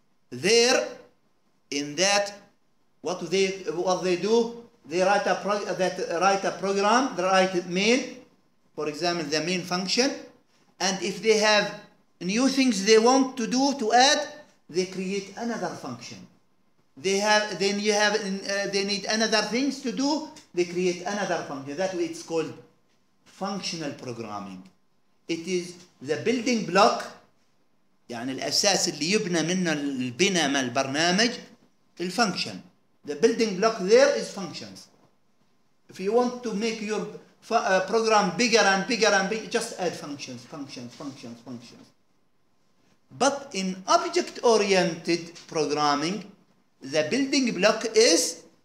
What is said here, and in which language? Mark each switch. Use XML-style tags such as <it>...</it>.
<en>There, in that, what they do, they write a program, they write main, for example, the main function, and if they have new things they want to do to add, they create another function. They need another things to do, they create another function. That way it's called functional programming. It is the building block,</en> <ar>يعني الأساس اللي يبنى منه البناء البرنامج.</ar> <en>The function, the building block there is functions. If you want to make your program bigger and bigger and bigger, just add functions, functions, functions, functions. But in object-oriented programming, the building block is</en>